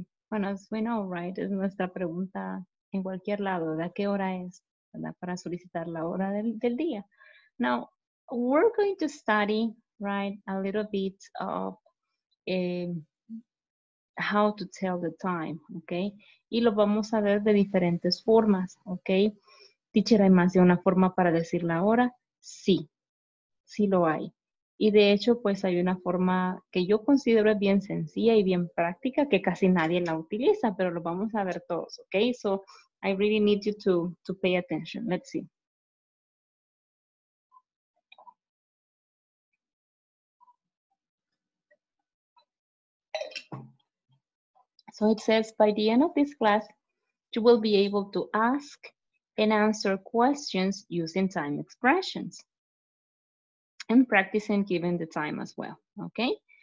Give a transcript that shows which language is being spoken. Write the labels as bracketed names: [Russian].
[Spanish] Bueno, [English] as we know, [Spanish] right, es nuestra pregunta en cualquier lado, ¿de qué hora es? ¿Verdad? Para solicitar la hora del día. [English] Now, we're going to study, right, a little bit of how to tell the time, okay? [Spanish] Y lo vamos a ver de diferentes formas, okay? Teacher, ¿hay más de una forma para decir la hora? Sí, sí lo hay. Y de hecho, pues hay una forma que yo considero bien sencilla y bien práctica que casi nadie la utiliza, pero lo vamos a ver todos, ¿ok? [English] So, I really need you to pay attention. Let's see. So it says, by the end of this class, you will be able to ask and answer questions using time expressions and practicing given the time as well, okay?